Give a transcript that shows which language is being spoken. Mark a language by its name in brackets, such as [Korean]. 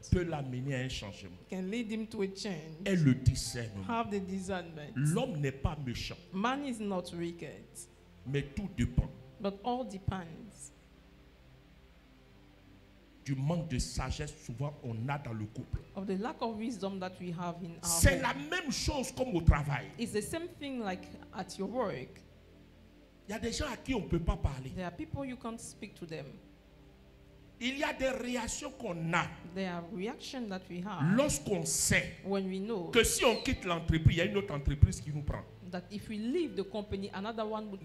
[French] Peut l'amener à un changement. [English] Can lead him to a change. [French] Et le discernement. [English] Have the discernment. [French] L'homme n'est pas méchant. [English] Man is not wicked. [French] Mais tout dépend. [English] But all depends. [French] Du manque de sagesse souvent on a dans le couple. [English] Of the lack of wisdom that we have in our [French] c'est [English] home. [French] La même chose comme au travail. [English] It's the same thing like at your work. [French] Il y a des gens à qui on peut pas parler. [English] There are people you can't speak to them. [French] Il y a des réactions qu'on a. [English] There are reactions that we have. [French] Lorsqu'on sait [English] when we know [French] que si on quitte l'entreprise, il y a une autre entreprise qui nous prend. [English] That if we leave the company, another one would